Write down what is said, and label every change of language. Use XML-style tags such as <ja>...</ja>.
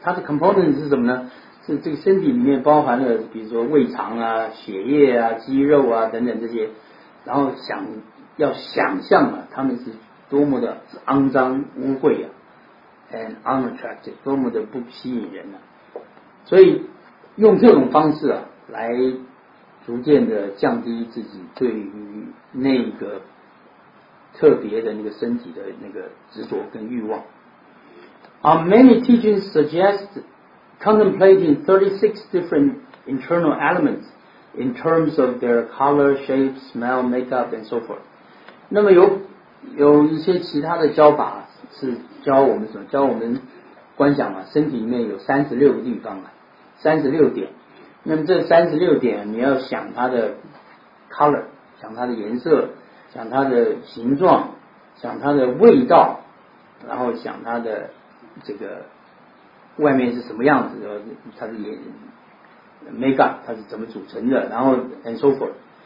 <zh>它的 components 是什么呢？是这个身体里面包含了比如说胃肠啊、血液啊、肌肉啊等等这些，然后要想象啊，它们是多么的肮脏污秽啊，</zh> <en>and unattractive，</en> <zh>多么的不吸引人啊。所以用这种方式啊，来逐渐的降低自己对于那个特别的那个身体的那个执着跟欲望。</zh> <en>Many teachings suggest contemplating 36 different internal elements in terms of their color, shape, smell, makeup, and so forth.</en> <zh>那么有一些其他的教法是教我们什么？教我们观想啊，身体里面有36个地方啊，36点。那么这36点，你要想它的 color， 想它的颜色，想它的形状，想它的味道，然后想它的这个外面是什么样子，它的 makeup 它是怎么组成的，然后</zh> <en>and so forth。</en>